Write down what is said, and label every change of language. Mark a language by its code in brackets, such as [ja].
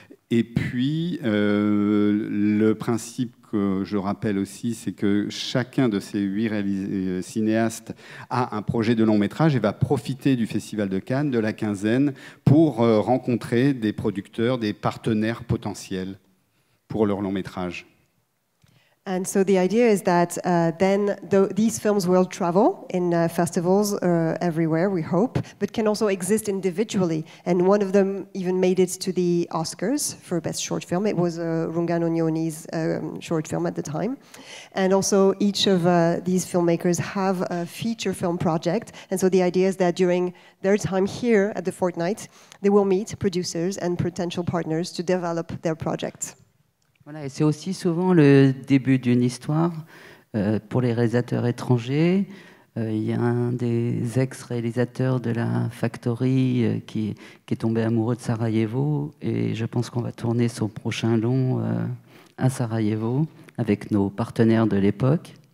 [fr] Et puis, le principe que je rappelle aussi, c'est que chacun de ces 8 cinéastes a un projet de long métrage et va profiter du Festival de Cannes, de la quinzaine, pour rencontrer des producteurs, des partenaires potentiels pour leur long métrage. [en] And so the idea is that these films will travel in festivals everywhere, we hope, but can also exist individually. And one of them even made it to the Oscars for Best Short Film. It was Rungano Nyoni's short film at the time. And also each of these filmmakers have a feature film project. And so the idea is that during their time here at the Fortnite, they will meet producers and potential partners to develop their projects. [fr] Voilà, et c'est aussi souvent le début d'une histoire pour les réalisateurs étrangers. Il y a un des ex-réalisateurs de la Factory qui est tombé amoureux de Sarajevo, et je pense qu'on va tourner son prochain long à Sarajevo avec nos partenaires de l'époque.